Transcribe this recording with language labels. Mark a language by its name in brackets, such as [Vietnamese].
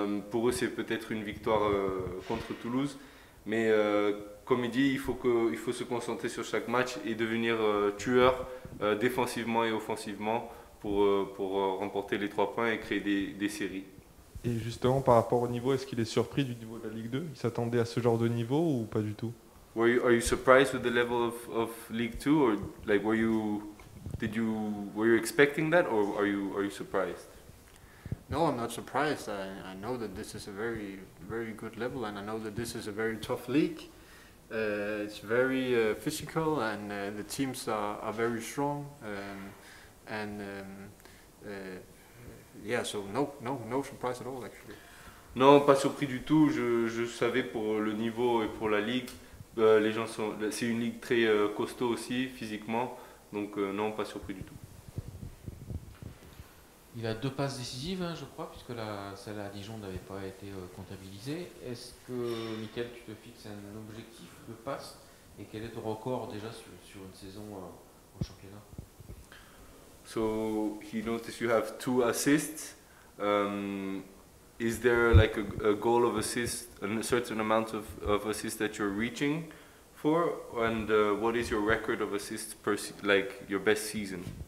[French] Pour eux, c'est peut-être une victoire contre Toulouse. Mais comme il dit, il faut se concentrer sur chaque match et devenir tueur défensivement et offensivement pour remporter les 3 points et créer des séries. Et justement, par rapport au niveau, est-ce qu'il est surpris du niveau de la Ligue 2? Il s'attendait à ce genre de niveau ou pas du tout? [English] Are you surprised with the level of Ligue 2, or like were you expecting that, or are you surprised? No, I'm not surprised. I know that this is a very, very good level, and I know that this is a very tough league. It's very physical, and the teams are very strong. So no surprise at all, actually. [French] Non, pas surpris du tout. Je savais pour le niveau et pour la ligue, les gens sont. C'est une ligue très costaud aussi, physiquement. Donc non, pas surpris du tout. Il a 2 passes décisives, hein, je crois, puisque celle à Dijon n'avait pas été comptabilisée. Est-ce que, Mikkel, tu te fixes un objectif de passe? Et quel est ton record déjà sur une saison au championnat? [English] So, he noticed you have 2 assists. Is there like a goal of assist, a certain amount of assists that you're reaching for? And what is your record of assists per like your best season?